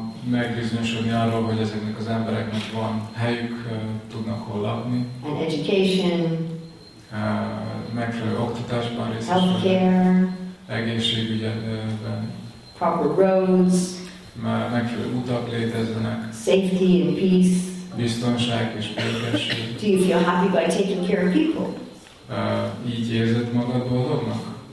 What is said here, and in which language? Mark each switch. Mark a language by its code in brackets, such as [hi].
[hu] Megbizonyosodni arról, hogy ezeknek az embereknek van helyük, tudnak hol lakni. [en] And education. [hu] Megfelelő oktatásban részesülni. [en] Healthcare. [hu] Egészségügyben. [en] Proper roads. [hu] Megfelelő utak léteznek. [en] Safety and peace. [hu] Biztonság és békesség. [en] Do you feel happy by taking care of people? [hu] Így érzed magad boldognak?